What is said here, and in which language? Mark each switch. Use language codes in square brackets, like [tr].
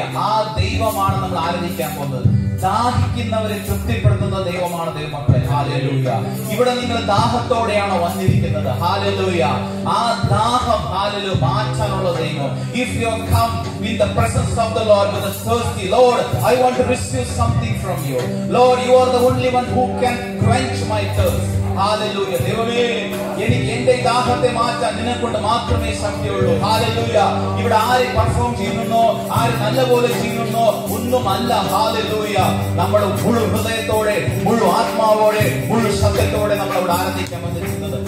[ml] ആ ദൈവമാണ് നമ്മൾ ആരാധിക്കാൻ പോകുന്നത്. ദാഹിക്കുന്നവരെ തൃപ്തിപ്പെടുത്തുന്ന ദൈവമാണ് ദൈവമക്കളെ. ഹാലേലൂയ. ഇവിടെ നിങ്ങൾ ദാഹത്തോടെയാണ് വന്നിരിക്കുന്നത്. ഹാലേലൂയ. ആ ദാഹം ഹാലേലൂയ മാറ്റാനുള്ള ദൈവം. [en] If you come with the presence of the Lord with a thirsty, Lord, I want to receive something from you. Lord, you are the only one who can quench my thirst. [ml] Hallelujah. ദൈവമേ, എനിക്ക് എന്റെ ദാഹത്തെ മാറ്റാൻ നിന്നെ കൊണ്ട് മാത്രമേ ശക്തിയുള്ളൂ. Hallelujah. ഇവിടെ ആര് perform ചെയ്യുന്നോ, ആര് നല്ല പോലെ ചെയ്യുന്നോ ഒന്നുമല്ല. ഹാലേലൂയ. നമ്മുടെ മുഴു ഹൃദയത്തോടെ മുഴു ആത്മാവോടെ മുഴു ശബ്ദത്തോടെ നമ്മൾ അവിടെ ആരാധിക്കാൻ വന്നിരിക്കുന്നത്.